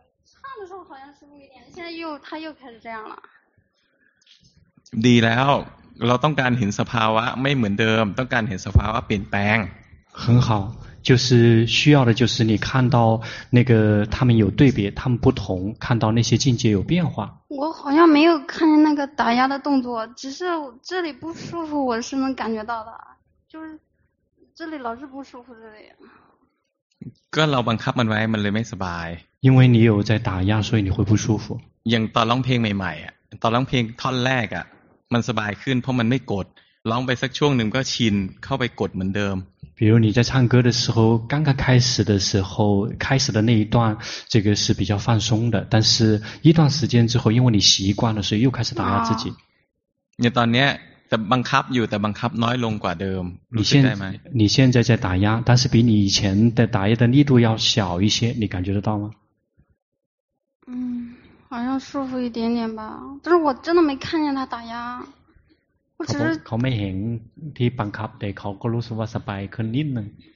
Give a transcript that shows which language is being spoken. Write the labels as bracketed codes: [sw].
[zh] 唱的时候好像舒服一点现在又他又开始这样了 [th] ดีแล้วเราต้องการเห็นสภาวะไม่เหมือนเดิมต้องการเห็นสภาวะเปลี่ยนแปลง [zh] 很好就是需要的就是你看到那个他们有对别他们不同看到那些境界有变化我好像没有看见那个打压的动作只是这里不舒服我是能感觉到的就是这里老是不舒服这里 [th] ก็เราบังคับมันไว้มันเลยไม่สบาย [zh] 因为你有在打压所以你会不舒服 [th] อย่างตอนร้องเพลงใหม่ๆอ่ะตอนร้องเพลงท่อนแรกอ่ะมันสบายขึ้นเพราะมันไม่กดร้องไปสักช่วงนึงก็ชินเข้าไปกดเหมือนเดิม [zh] 比如你在唱歌的时候，刚刚开始的时候，开始的那一段，这个是比较放松的。但是，一段时间之后，因为你习惯了，所以又开始打压自己。 [th] 你ตอนนี้จะบังคับอยู่แต่บังคับน้อยลงกว่าเดิม。 [zh] 你现在在打压，但是比你以前的打压的力度要小一些，你感觉得到吗？好像舒服一点点吧，但是我真的没看见他打压，我只是 [th] เขาไม่เห็นที่บังคับแต่เขาก็รู้สึกว่าสบายขึ้นนิดนึง